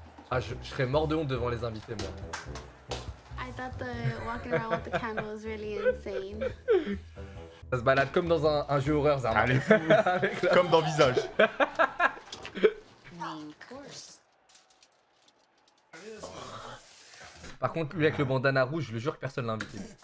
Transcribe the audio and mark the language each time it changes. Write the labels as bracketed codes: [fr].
[fr] Ah, je serais mort de honte devant les invités, moi. [en] I thought the walking around with the candle was really insane. [fr] Ça se balade comme dans un jeu horreur, Zara. Allez, comme dans Visage. Par contre, lui avec le bandana rouge, je le jure que personne l'a invité.